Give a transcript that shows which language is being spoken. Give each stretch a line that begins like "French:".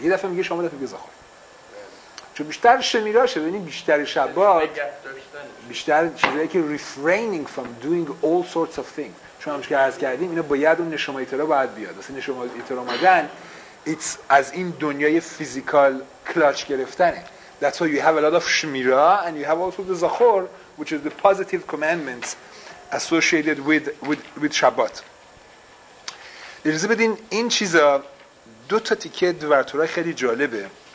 Persian: یه دفعه میگه شامور، دفعه میگه زاخور. چون بیشتر شمیراشه، ببینید بیشتر شبات بیشتر چیزایی که
English: refraining from doing all sorts of things.
Persian: چون همش که عرض کردیم اینا باید اون نشمای تورا باید بیاد. اصلا نشمای تورا اومدن it's از این دنیای فیزیکال کلاچ گرفتنه.
English: That's why you have a lot of shmira and you have also the zachor, which is the positive commandments associated with Shabbat.
Persian: اجازه بدین این چیزا دو تا تیکه دورتورای خیلی جالبه.